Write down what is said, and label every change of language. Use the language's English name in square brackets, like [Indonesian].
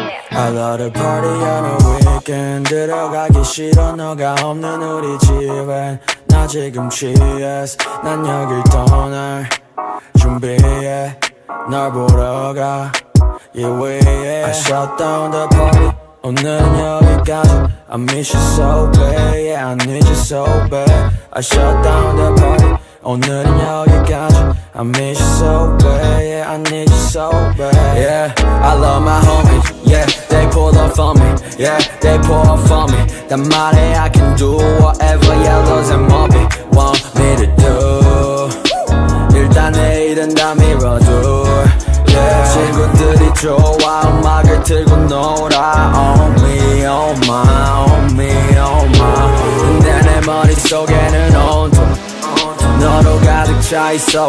[English] I love to party on a weekend. [Korean] 들어가기 싫어 너가 없는 우리 집엔. 나 지금 취해서 난 여길 떠날 준비해. 널 보러 가. [English] Yeah, we, yeah. I shut down the party. [Korean] 오늘은 여기까지. [English] I miss you so bad. Yeah, I need you so bad. I shut down the party. [Korean] 오늘은 여기까지. [English] I miss you so bad. Yeah, I need you so bad. Yeah, I love my homies. Yeah, they pull up for me. Yeah, they pull up for me. That money I can do whatever yellows and mommy want me to do. [Korean] 일단 내일은 다 밀어둬. Yeah. 친구들이 좋아 음악을 틀고 놀아. [English] Oh me, oh my, oh me, oh my. [Korean] 근데 내 머릿속에는 온통 너로 가득 차 있어.